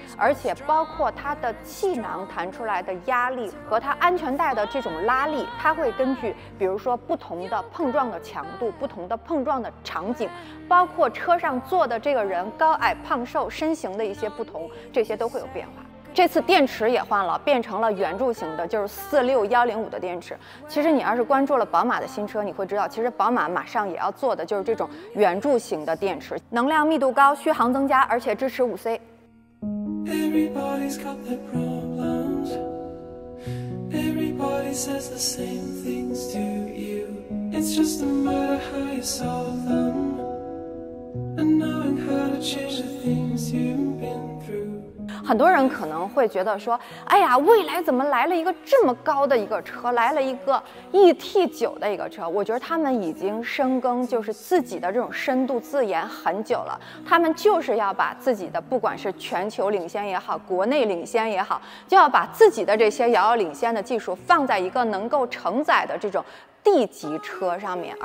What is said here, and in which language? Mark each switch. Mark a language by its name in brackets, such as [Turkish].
[Chinese] 而且包括它的气囊弹出来的压力和它安全带的这种拉力，它会根据比如说不同的碰撞的强度、不同的碰撞的场景，包括车上坐的这个人高矮胖瘦、身形的一些不同，这些都会有变化。这次电池也换了，变成了圆柱形的，就是46105的电池。其实你要是关注了宝马的新车，你会知道其实宝马马上也要做的就是这种圆柱形的电池，能量密度高，续航增加，而且支持 5C。 [English] Everybody's got their problems. Everybody says the same things to you. It's just a matter how you solve them, and knowing how to change the things you've been through。 [Chinese] 很多人可能会觉得说，哎呀，蔚来怎么来了一个这么高的一个车，来了一个 ET9 的一个车。我觉得他们已经深耕就是自己的这种深度自研很久了，他们就是要把自己的不管是全球领先也好，国内领先也好，就要把自己的这些遥遥领先的技术放在一个能够承载的这种D 级车上面。